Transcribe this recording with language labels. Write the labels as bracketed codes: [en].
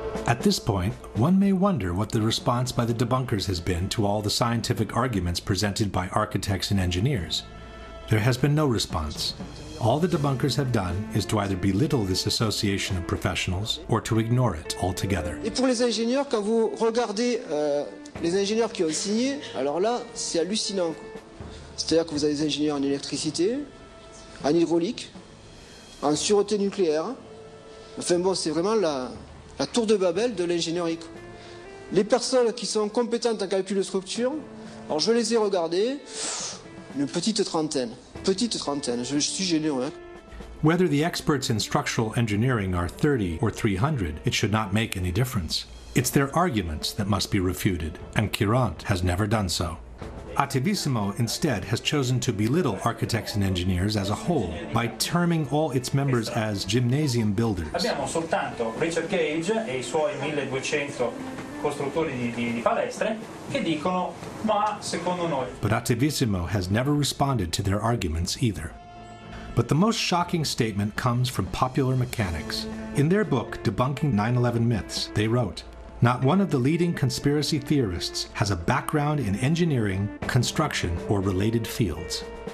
[en] At this point, one may wonder what the response by the debunkers has been to all the scientific arguments presented by architects and engineers. There has been no response. All the debunkers have done is to either belittle this association of professionals or to ignore it altogether. [fr] Et pour les ingénieurs, quand vous regardez les ingénieurs qui ont signé, alors là, c'est hallucinant. C'est-à-dire que vous avez des ingénieurs en électricité, en hydraulique, en sûreté nucléaire. Enfin bon, c'est vraiment la tour de Babel de l'ingénierie. Les personnes qui sont compétentes en calcul de structure, alors je les ai regardées, une petite trentaine. Petite trentaine, je suis généreux. Hein. [en] Whether the experts in structural engineering are 30 or 300, it should not make any difference. It's their arguments that must be refuted, and Kirant has never done so. Atibissimo instead has chosen to belittle architects and engineers as a whole by terming all its members as gymnasium builders. [it] Abbiamo soltanto Richard Cage e i suoi 1200 costruttori di palestre che dicono ma secondo noi. [en] But Atibissimo has never responded to their arguments either. But the most shocking statement comes from Popular Mechanics. In their book Debunking 9/11 Myths, they wrote, "Not one of the leading conspiracy theorists has a background in engineering, construction, or related fields."